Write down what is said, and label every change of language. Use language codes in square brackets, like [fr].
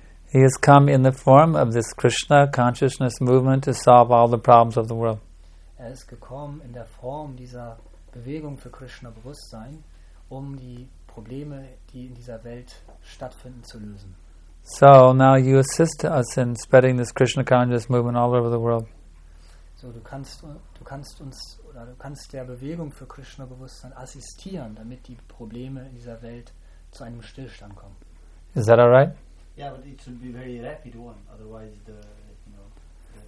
[en] He has come in the form of this Krishna consciousness movement to solve all the problems of the world. [de] Er ist gekommen in der Form dieser Bewegung für Krishna-Bewusstsein, um die Probleme, die in dieser Welt stattfinden, zu lösen. [en] So, now you assist us in spreading this Krishna consciousness movement all over the world. [de] So, du kannst der Bewegung für Krishna-Bewusstsein assistieren, damit die Probleme in dieser Welt zu einem Stillstand kommen. [en] Is that all right? Yeah, but it should be a very rapid one, otherwise the, you know...